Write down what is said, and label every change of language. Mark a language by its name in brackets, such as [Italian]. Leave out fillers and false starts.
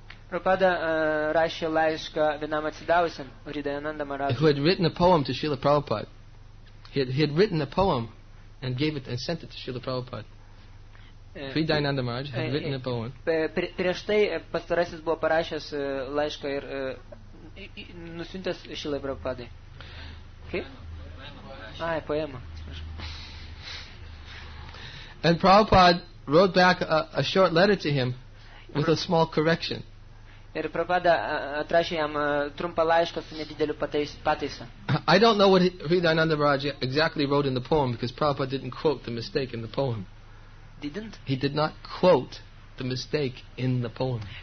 [Lithuanian] Prabhupada rašė laišką vienam atsidavusiam, Sri Dayananda Maharaj. [English] Who had written a poem to Srila Prabhupada. He had written a poem and gave it and sent it to Srila Prabhupada. Sri Dayananda Maharaj had written a poem. [Lithuanian] Prieš tai pastarasis buvo parašęs laišką ir nusiuntęs Šilai Prabhupadai. Kaip? Ai, poema. [English] And Prabhupada wrote back a short letter to him with a small correction. [Lithuanian] Ir Prabhupada atrašė jam trumpą laišką su nedideliu pataisa. [English] I don't know what Sri Dayananda Maharaj exactly wrote in the poem because Prabhupada didn't quote the mistake in the poem. Didn't? He did not quote the mistake in the poem.